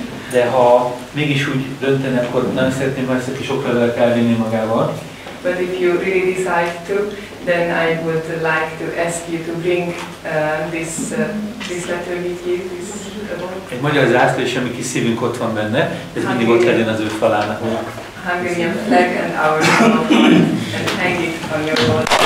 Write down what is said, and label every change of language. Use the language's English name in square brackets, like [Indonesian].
[Hungarian] De ha mégis úgy döntene, akkor nem szeretném, hogy ezt a kis oklevelet elvinni magával. [English] But if you really decide to, then I would like to ask you to bring this letter with you, this book. [Hungarian] Egy magyar zászló és ami kis szívünk ott van benne, ez mindig ott legyen az ő falának. [English] Hungarian flag and our and hang it on your wall.